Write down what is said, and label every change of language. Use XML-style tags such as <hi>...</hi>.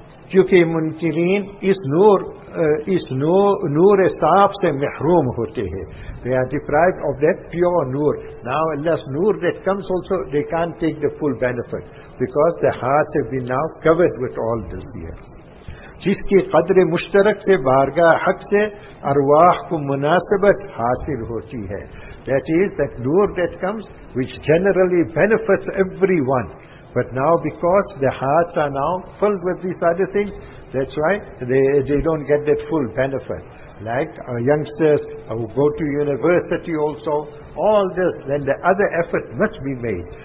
<ur>Kyunki munkirin is noor saaf se mehroom hote hai.</ur> <en>They are deprived of that pure noor. Now unless noor that comes also, they can't take the full benefit, because the heart have been now covered with all this here.</en> <ur>جس کی قدر مشترک سے بارگاہ حق سے ارواح کو مناسبت حاصل ہوتی ہے.</ur> <en>That is, that nur that comes, which generally benefits everyone. But now because the hearts are now filled with these other things, that's why they don't get that full benefit. Like our youngsters who go to university also, all this, then the other effort must be made.</en>